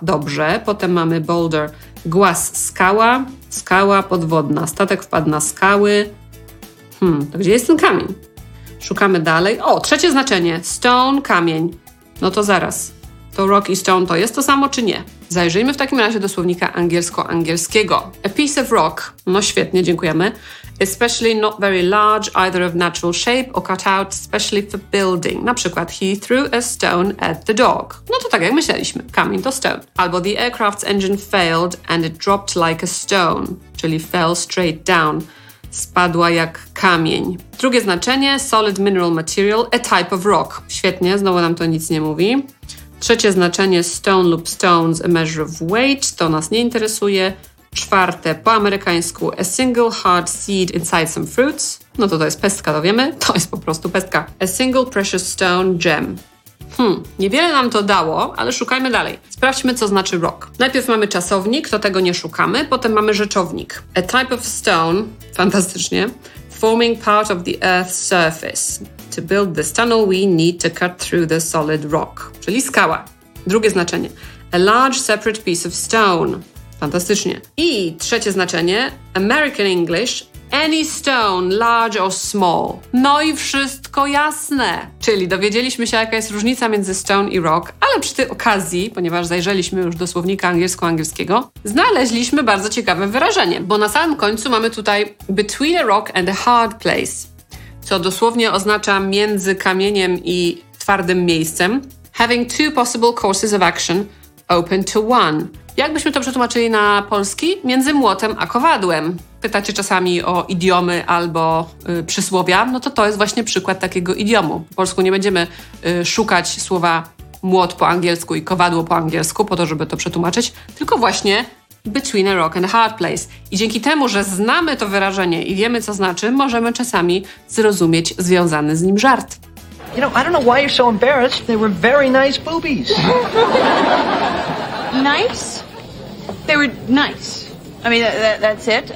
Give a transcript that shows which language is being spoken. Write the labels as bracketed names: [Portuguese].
[Polish] Dobrze, potem mamy boulder, głaz skała, skała podwodna, statek wpadł na skały. To gdzie jest ten kamień? Szukamy dalej. O, trzecie znaczenie. Stone, kamień. No to zaraz. To rock i stone to jest to samo, czy nie? Zajrzyjmy w takim razie do słownika angielsko-angielskiego. [English] A piece of rock. [Polish] No świetnie, dziękujemy. [English] Especially not very large, either of natural shape or cut out, especially for building. [Polish] Na przykład, [English] he threw a stone at the dog. [Polish] No to tak jak myśleliśmy. Kamień to stone. [English] Albo the aircraft's engine failed and it dropped like a stone. [Polish] Czyli [English] fell straight down. [Polish] Spadła jak kamień. Drugie znaczenie, [English] solid mineral material, a type of rock. [Polish] Świetnie, znowu nam to nic nie mówi. Trzecie znaczenie, stone lub stones, [English] a measure of weight, [Polish] to nas nie interesuje. Czwarte, po amerykańsku, [English] a single hard seed inside some fruits. No to jest pestka, to wiemy. To jest po prostu pestka. A single precious stone gem. [Polish] Niewiele nam to dało, ale szukajmy dalej. Sprawdźmy, co znaczy rock. Najpierw mamy czasownik, to tego nie szukamy, potem mamy rzeczownik. [English] A type of stone, [Polish] fantastycznie, [English] forming part of the earth's surface. To build this tunnel, we need to cut through the solid rock. [Polish] Czyli skała. Drugie znaczenie. [English] A large separate piece of stone. [Polish] Fantastycznie. I trzecie znaczenie. [English] American English. Any stone, large or small. [Polish] No i wszystko jasne. Czyli dowiedzieliśmy się, jaka jest różnica między stone i rock, ale przy tej okazji, ponieważ zajrzeliśmy już do słownika angielsko-angielskiego, znaleźliśmy bardzo ciekawe wyrażenie, bo na samym końcu mamy tutaj [English] between a rock and a hard place, [Polish] co dosłownie oznacza między kamieniem i twardym miejscem. [English] Having two possible courses of action, open to one. [Polish] Jakbyśmy to przetłumaczyli na polski? Między młotem a kowadłem. Pytacie czasami o idiomy albo przysłowia, no to to jest właśnie przykład takiego idiomu. Po polsku nie będziemy szukać słowa młot po angielsku i kowadło po angielsku po to, żeby to przetłumaczyć, tylko właśnie [English] Between a Rock and a Hard Place. [Polish] I dzięki temu, że znamy to wyrażenie i wiemy, co znaczy, możemy czasami zrozumieć związany z nim żart. [English] You know, I don't know why you're so embarrassed. They were very nice boobies. Nice? They were nice. I mean, that's it.